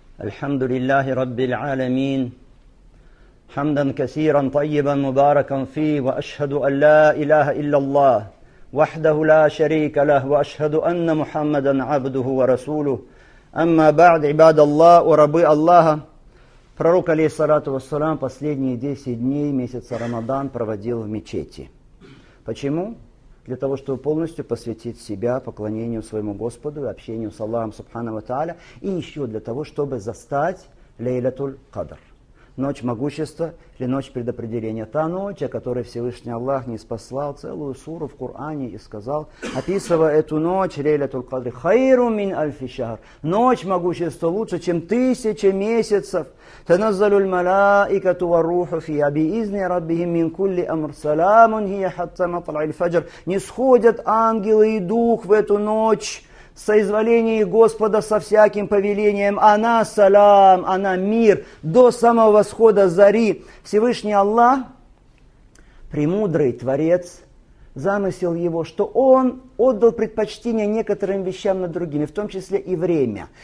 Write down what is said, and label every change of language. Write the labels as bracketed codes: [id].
[ar] الحمد لله رب العالمين، حمدا كثيرا طيبا مباركا فيه، وأشهد أن لا إله إلا الله وحده لا شريك له، وأشهد أن محمدا عبده ورسوله. أما بعد، عباد الله وربي الله، [ru] пророк [ar] عليه الصلاة والسلام [ru] последние 10 дней месяца رمضان проводил в мечети. Почему? Для того, чтобы полностью посвятить себя поклонению своему Господу и общению с Аллахом Субхана ва Тааля, и еще для того, чтобы застать Лейлатуль Кадр, ночь могущества или ночь предопределения. Та ночь, о которой Всевышний Аллах ниспослал целую суру в Коране и сказал, описывая эту ночь, Лейлатуль Кадр, [ar] хайру мин альфишар, [ru] ночь могущества лучше, чем тысячи месяцев. [ar] تنزل الملائكة والروح فيها بإذن ربهم من كل أمر سلام هي حتى مطلع الفجر. [ru] نسходят ангелы и дух в эту ночь соизволение Господа со всяким повелением. Она салам, она мир до самого восхода зари. Всевышний Аллах, премудрый Творец, замысел его, что он отдал предпочтение некоторым вещам над другими, в том числе и время.